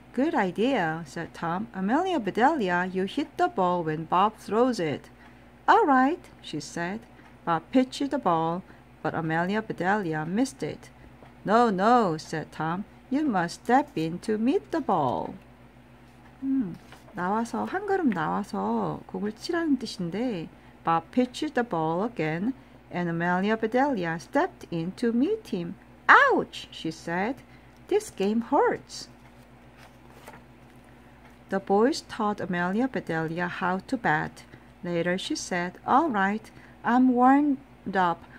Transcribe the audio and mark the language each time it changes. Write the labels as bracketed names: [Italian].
[English] Good idea, said Tom. Amelia Bedelia, you hit the ball when Bob throws it. All right, she said. Bob pitched the ball, but Amelia Bedelia missed it. No, no, said Tom. You must step in to meet the ball. [Korean] 나와서, 한 걸음 나와서 공을 치라는 뜻인데, [English] Bob pitched the ball again, and Amelia Bedelia stepped in to meet him. Ouch, she said. This game hurts. The boys taught Amelia Bedelia how to bat. Later, she said, All right, I'm warmed up.